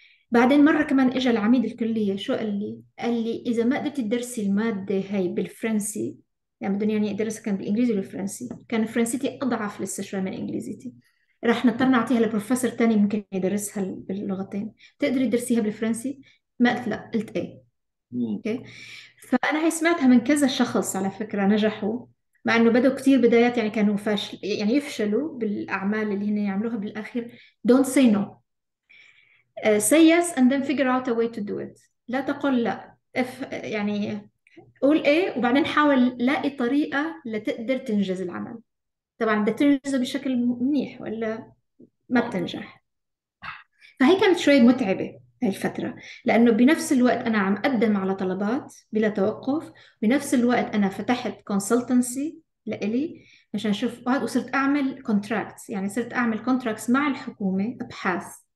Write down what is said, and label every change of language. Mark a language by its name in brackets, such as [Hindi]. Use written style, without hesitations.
[Arabic] بعدين مرة كمان إجا العميد الكلية، شو قال لي؟ قال لي إذا ما قدرتي تدرسي المادة هاي بالفرنسي، يعني بدهم يعني أدرسها كان بالإنجليزي والفرنسي، كان فرنسيتي أضعف لسه شوي من إنجليزيتي، راح نضطر نعطيها لبروفيسور تاني ممكن يدرسها باللغتين، تقدري تدرسيها بالفرنسي؟ ما قلت لا، قلت إيه. أوكي؟ فأنا هي سمعتها من كذا شخص على فكرة نجحوا، مع انه بدوا كثير بدايات يعني كانوا فاشل، يعني يفشلوا بالاعمال اللي هن يعملوها بالاخير. [English] Don't say no. Say yes and then figure out a way to do it. [Arabic] لا تقل لا. يعني قول ايه وبعدين حاول لاقي طريقة لتقدر تنجز العمل. طبعا بدك تنجزه بشكل منيح ولا ما بتنجح. فهي كانت شوي متعبة هاي الفترة، لأنه بنفس الوقت أنا عم أقدم على طلبات بلا توقف، بنفس الوقت أنا فتحت كونسلتنسي لإلي عشان أشوف بعض، وصرت أعمل كونتراكتس، يعني صرت أعمل كونتراكتس مع الحكومة أبحاث.